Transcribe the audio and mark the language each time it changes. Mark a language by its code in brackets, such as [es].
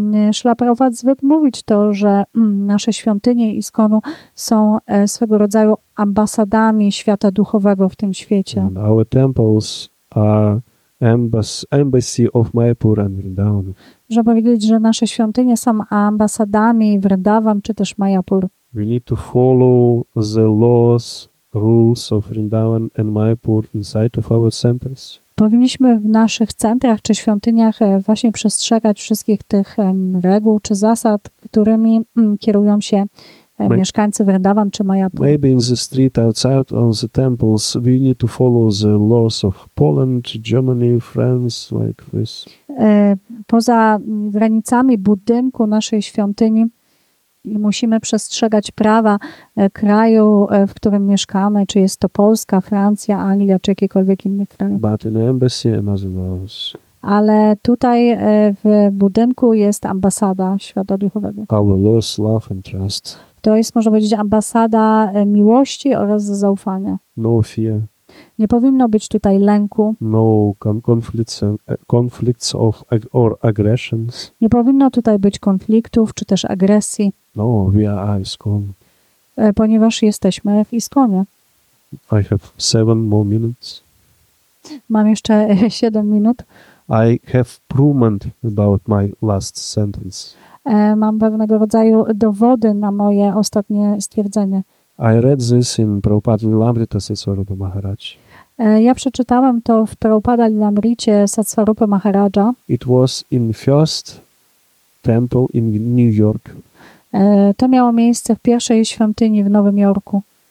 [pl] Śrīla Prabhupāda zwykł mówić to, że nasze świątynie ISKCON-u są swego rodzaju ambasadami świata duchowego w tym świecie. [en] And our temples are embassy of Mayapur and Vrindavan. [pl] Można powiedzieć, że nasze świątynie są ambasadami Vrindavan czy też Mayapur. [en] We need to follow the laws, rules of Vrindavan and Mayapur inside of our centers. [pl] Powinniśmy w naszych centrach czy świątyniach właśnie przestrzegać wszystkich tych reguł czy zasad, którymi kierują się mieszkańcy Vrindavan czy Mayapur. [en] Maybe in the street outside of the temples we need to follow the laws of Poland, Germany, France, like this. [pl] Poza granicami budynku naszej świątyni musimy przestrzegać prawa kraju, w którym mieszkamy, czy jest to Polska, Francja, Anglia, czy jakiekolwiek inny kraj. [en] But in the embassy another laws. [pl] Ale tutaj w budynku jest ambasada świata duchowego. [en] Our laws, love and trust. [pl] To jest, można powiedzieć, ambasada miłości oraz zaufania. [en] No fear. [pl] Nie powinno być tutaj lęku. [en] No conflicts of or aggressions. [pl] Nie powinno tutaj być konfliktów czy też agresji. [en] No, we are ISKCON. [pl] Ponieważ jesteśmy w ISKCON-ie. [en] I have 7 more minutes. [pl] Mam jeszcze 7 minut. [en] I have proven about my last sentence. [pl] Mam pewnego rodzaju dowody na moje ostatnie stwierdzenie. [en] I read this in Prabhupada Lilamrita Satswarupa Maharaj. [pl] Ja przeczytałem to w Prabhupada Lilamricie Satswarupa Maharaja. [en] It was in first temple in New York. [pl] To miało miejsce w pierwszej świątyni w Nowym Jorku.